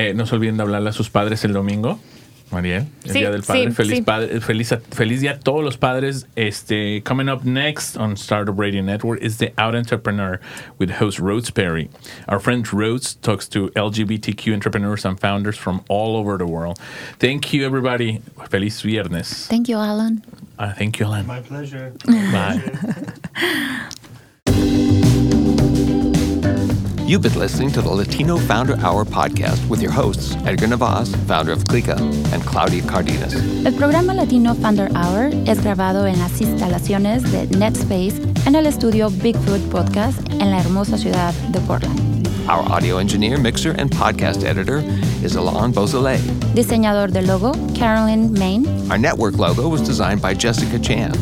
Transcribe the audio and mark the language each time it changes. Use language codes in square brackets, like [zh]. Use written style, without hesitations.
[es] No se olviden de hablarle a sus padres el domingo. Mariel, el día del padre. Feliz día a todos los padres. [en] Coming up next on Startup Radio Network is The Out Entrepreneur with host Rhodes Perry. Our friend Rhodes talks to LGBTQ entrepreneurs and founders from all over the world. Thank you, everybody. [es] Feliz viernes. [en] Thank you, Alan. Thank you, Alan. My pleasure. Bye. You've been listening to the Latino Founder Hour podcast with your hosts, Edgar Navas, founder of Clica, and Claudia Cardenas. [es] El programa Latino Founder Hour es grabado en las instalaciones de NetSpace en el estudio Bigfoot Podcast en la hermosa ciudad de Portland. [en] Our audio engineer, mixer, and podcast editor is Alain Beausoleil. [es] Diseñador de logo, Carolyn Main. [en] Our network logo was designed by Jessica Chan.